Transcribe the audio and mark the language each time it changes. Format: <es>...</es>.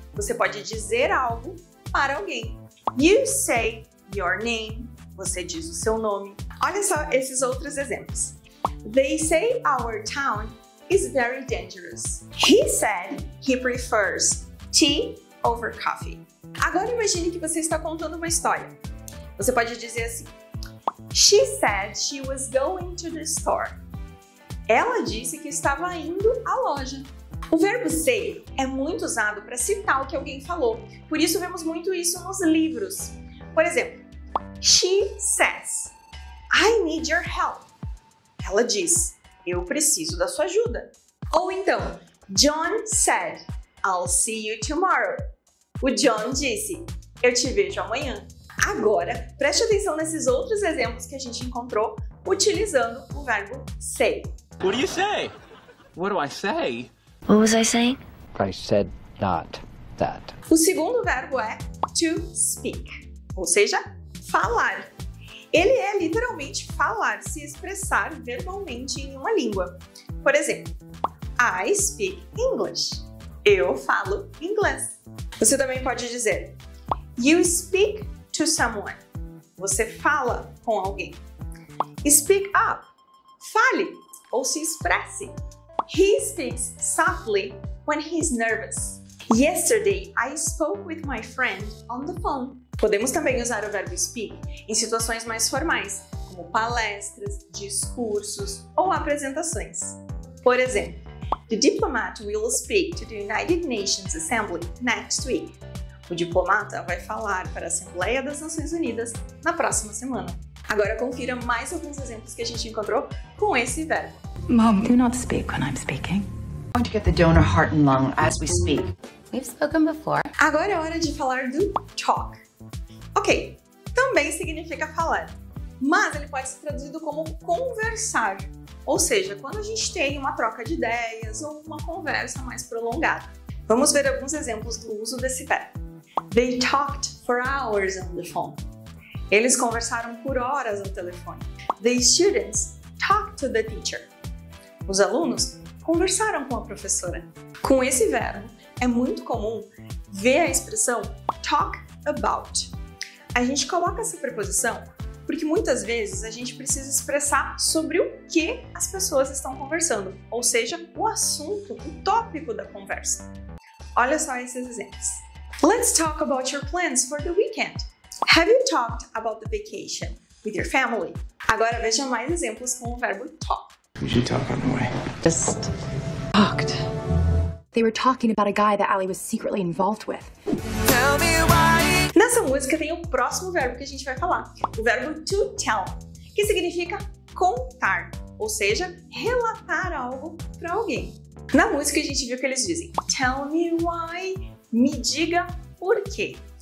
<pt>Você pode dizer algo para alguém.</pt> <en>You say your name.</en> <pt>Você diz o seu nome. Olha só esses outros exemplos.</pt> <en>They say our town is very dangerous. He said he prefers tea over coffee.</en> <pt>Agora imagine que você está contando uma história. Você pode dizer assim.</pt> <en>She said she was going to the store.</en> <pt>Ela disse que estava indo à loja. O verbo say é muito usado para citar o que alguém falou. Por isso, vemos muito isso nos livros. Por exemplo,</pt> <en>she says, I need your help.</en> <pt>Ela diz, eu preciso da sua ajuda. Ou então,</pt> <en>John said, I'll see you tomorrow.</en> <pt>O John disse, eu te vejo amanhã. Agora, preste atenção nesses outros exemplos que a gente encontrou utilizando o verbo say.</pt> <en>What do you say? What do I say? What was I saying? I said not that.</en> <pt>O segundo verbo é to speak, ou seja, falar. Ele é literalmente falar, se expressar verbalmente em uma língua. Por exemplo,</pt> <en>I speak English.</en> <pt>Eu falo inglês. Você também pode dizer,</pt> <en>you speak to someone.</en> <pt>Você fala com alguém.</pt> <en>Speak up.</en> <pt>Fale. Ou se expresse.</pt> <en>He speaks softly when he's nervous. Yesterday, I spoke with my friend on the phone.</en> <pt>Podemos também usar o verbo speak em situações mais formais, como palestras, discursos ou apresentações. Por exemplo,</pt> <en>the diplomat will speak to the United Nations Assembly next week.</en> <pt>O diplomata vai falar para a Assembleia das Nações Unidas na próxima semana. Agora confira mais alguns exemplos que a gente encontrou com esse verbo.</pt> <en>Mom, do not speak when I'm speaking. I'm going to get the donor heart and lung as we speak. We've spoken before.</en> <pt>Agora é hora de falar do talk. Ok, também significa falar, mas ele pode ser traduzido como conversar. Ou seja, quando a gente tem uma troca de ideias ou uma conversa mais prolongada. Vamos ver alguns exemplos do uso desse verbo.</pt> <en>They talked for hours on the phone.</en> <pt>Eles conversaram por horas no telefone.</pt> <en>The students talked to the teacher.</en> <pt>Os alunos conversaram com a professora. Com esse verbo, é muito comum ver a expressão talk about. A gente coloca essa preposição porque muitas vezes a gente precisa expressar sobre o que as pessoas estão conversando, ou seja, o assunto, o tópico da conversa. Olha só esses exemplos.</pt> <en>Let's talk about your plans for the weekend. Have you talked about the vacation with your family?</en> <pt>Agora veja mais exemplos com o verbo talk.</pt> <en>We should talk on the way. Just talked. They were talking about a guy that Ali was secretly involved with. Tell me why.</en> <pt>Nessa música tem o próximo verbo que a gente vai falar, o verbo to tell, que significa contar, ou seja, relatar algo para alguém. Na música a gente viu que eles dizem</pt> <en>tell me why,</en> <pt>me diga por quê.</pt>